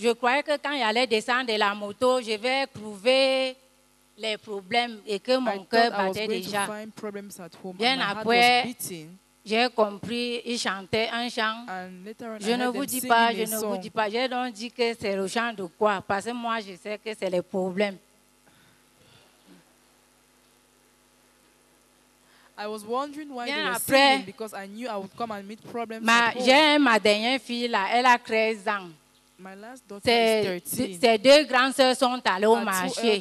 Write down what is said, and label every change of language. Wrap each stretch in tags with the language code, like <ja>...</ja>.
<fr>Je croyais que quand j'allais descendre de la moto, je vais trouver les problèmes et que mon cœur battait déjà. Bien après, j'ai compris, il chantait un chant. Je ne vous dis pas. J'ai donc dit que c'est le chant de quoi? Parce que moi, je sais que c'est les problèmes.</fr> <en>I was wondering why they were singing because I knew I would come and meet problems.</en> <fr>J'ai ma dernière fille là, elle a 13 ans.</fr> <en>My last daughter is 13.</en> <fr>Ses deux grandes sœurs sont allées au marché.</fr>